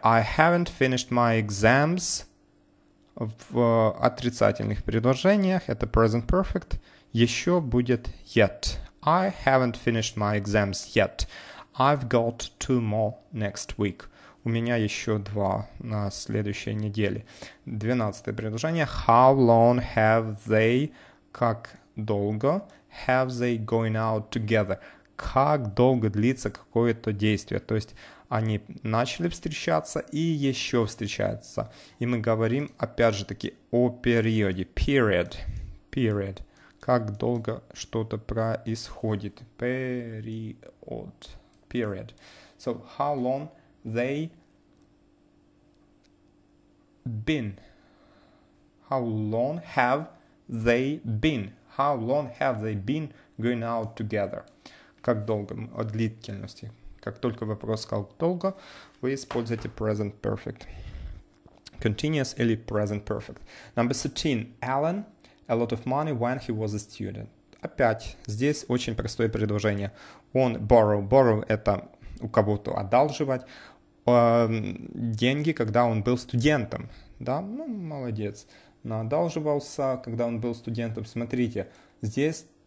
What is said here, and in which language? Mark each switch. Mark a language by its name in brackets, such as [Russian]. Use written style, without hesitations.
[English] I haven't finished my exams. [Russian] В отрицательных предложениях это present perfect, еще будет yet. [English] I haven't finished my exams yet. I've got 2 more next week. [Russian] У меня еще 2 на следующей неделе. 12 предложение. [English] How long have they, [Russian] как долго, [English] have they going out together? [Russian] Как долго длится какое-то действие? То есть они начали встречаться и еще встречаются. И мы говорим, опять же таки, о периоде. [English] Period. Period. [Russian] Как долго что-то происходит. Период. [English] Period. So, how long they been? How long have they been? How long have they been going out together? [Russian] Как долго? О длительности. Как только вопрос сказал долго, вы используете present perfect. [English] Continuous [Russian] или [English] present perfect. Number 13. Alan a lot of money when he was a student. [Russian] Опять, здесь очень простое предложение. Он borrow. Borrow – это у кого-то одалживать деньги, когда он был студентом. Да, ну, молодец. Надалживался, когда он был студентом. Смотрите, здесь